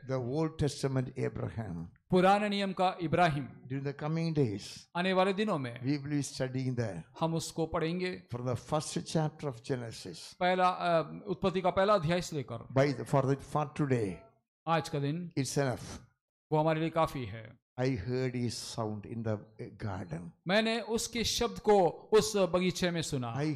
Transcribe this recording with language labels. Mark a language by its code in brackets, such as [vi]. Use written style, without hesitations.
[en] the Old Testament Abraham [hi] पुराने नियम का Ibrahim [en] during the coming days [hi] आने वाले दिनों में [en] we will be studying that [hi] हम उसको पढ़ेंगे [en] from the first chapter of Genesis [hi] पहला उत्पत्ति का पहला अध्याय से लेकर [en] bye for today [hi] आज का दिन [en] it's enough [hi] वो हमारे लिए काफी है [en] I heard his sound in the garden. [hi] मैंने उसके शब्द को उस बगीचे में सुना.